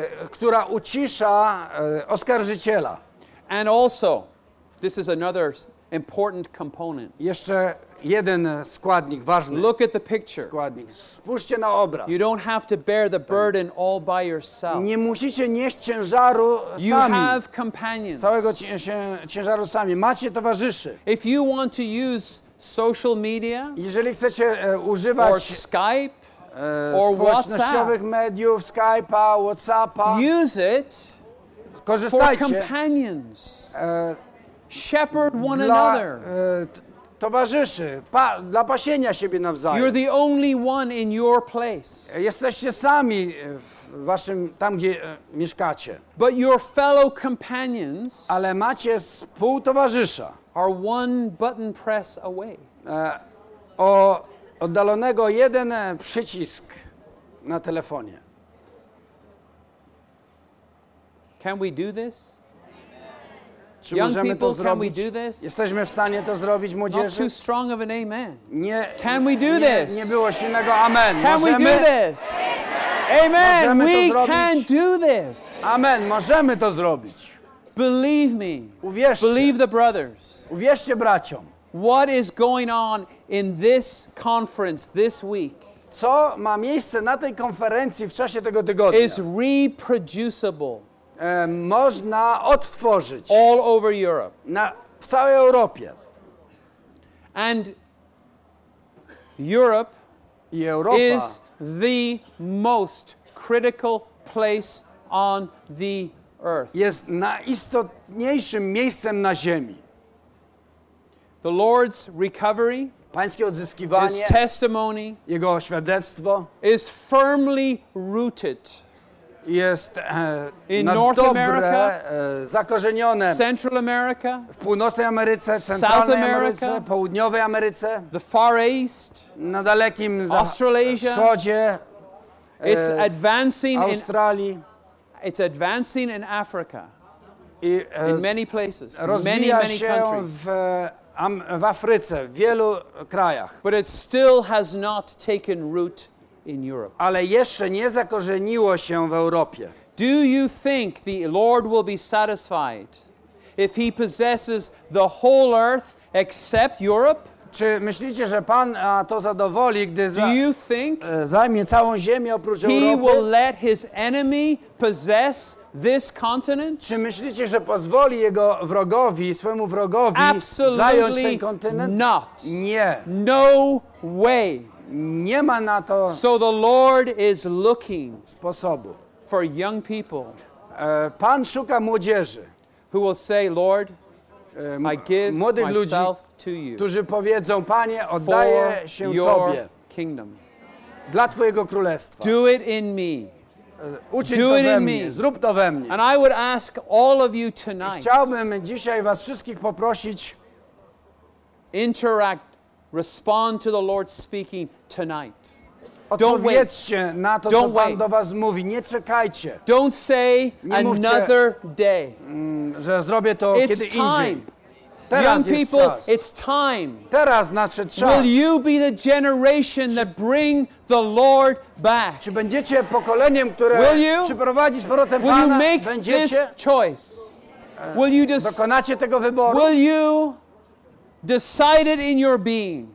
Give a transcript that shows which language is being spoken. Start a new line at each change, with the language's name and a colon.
Polish: Która ucisza oskarżyciela.
English: And also, this is another important component.
Polish: Jeszcze jeden składnik ważny.
English: Look at the picture.
Polish: Składnik. Spójrzcie na obraz.
English: You don't have to bear the burden all by yourself.
Polish: Nie musicie nieść ciężaru
English: you
Polish: sami.
English: You have companions.
Polish: Całego ciężaru sami. Macie towarzyszy.
English: If you want to use social media,
Polish: jeżeli chcecie używać
English: or Skype, or
Polish: społecznościowych mediów, Skype'a, WhatsApp'a.
English: Use it.
Polish: Korzystajcie.
English: For companions. Shepherd one another.
Polish: Towarzyszy, dla pasienia siebie nawzajem.
English: You're the only one in your place.
Polish: Jesteście sami w waszym tam gdzie mieszkacie.
English: But your fellow companions.
Polish: Ale macie współtowarzysza.
English: Are one button press away.
Polish: Oddalonego jeden przycisk na telefonie.
English: Can we do this?
Polish: Czy możemy to zrobić? Jesteśmy w stanie to zrobić, młodzieży?
English: Not too strong of an amen.
Polish: Nie.
English: Can we do this?
Polish: Nie było silnego amen.
English: Can we do this? Amen. We can do this.
Polish: Amen. Możemy to zrobić.
English: Believe me.
Polish: Uwierzcie.
English: Believe the brothers.
Polish: Uwierzcie braciom.
English: What is going on in this conference this week?
Polish: Co ma miejsce na tej konferencji w czasie tego tygodnia?
English: Is reproducible.
Polish: Można odtworzyć.
English: All over Europe.
Polish: W całej Europie.
English: And Europe
Polish: I Europa
English: is the most critical place on the earth.
Polish: Jest najistotniejszym miejscem na ziemi.
English: The Lord's recovery,
Polish: Pańskie odzyskiwanie,
English: His testimony,
Polish: Jego świadectwo,
English: is firmly rooted
Polish: jest,
English: in
Polish: na
English: North
Polish: dobre,
English: America,
Polish: zakorzenione
English: Central America,
Polish: w Północnej Ameryce, Centralnej
English: South America,
Polish: Ameryce, Południowej Ameryce,
English: the Far East,
Polish: na dalekim
English: Australasia,
Polish: wschodzie,
English: it's advancing
Polish: Australii,
English: in, it's advancing in Africa,
Polish: I,
English: in many places, many, many countries.
Polish: W Afryce, w wielu krajach.
English: But it still has not taken root in Europe.
Polish: Ale jeszcze nie zakorzeniło się w Europie.
English: Do you think the Lord will be satisfied if he possesses the whole earth except Europe?
Polish: Czy myślicie, że Pan to zadowoli, gdy zajmie całą ziemię oprócz
English: he
Polish: Europy?
English: He will let his enemy possess this continent?
Polish: Czy myślicie, że pozwoli jego wrogowi, swojemu wrogowi
English: Absolutely
Polish: zająć ten kontynent?
English: Not.
Polish: Nie.
English: No way.
Polish: Nie ma na to.
English: So the Lord is looking
Polish: sposobu.
English: For young people.
Polish: Pan szuka młodzieży.
English: Who will say, Lord, I give
Polish: młodych
English: myself
Polish: ludzi,
English: to you.
Polish: Którzy powiedzą, Panie, oddaję się Tobie.
English: Kingdom.
Polish: Dla Twojego królestwa.
English: Do it in me.
Polish: Uczyń to we mnie, zrób to we mnie.
English: And I would ask all of you tonight.
Polish: Chciałbym dzisiaj was wszystkich poprosić.
English: Interact, respond to the Lord speaking tonight.
Polish: Odpowiedzcie na to, co Pan do was mówi. Nie czekajcie.
English: Don't say another day.
Polish: Że zrobię to kiedy indziej.
English: It's time. Young people, it's time.
Polish: Teraz nadszedł czas.
English: Will you be the generation that bring the Lord back?
Polish: Czy będziecie pokoleniem, które przyprowadzi z powrotem Pana?
English: Will you make this choice? Will you
Polish: dokonacie tego wyboru?
English: Will you decide it in your being?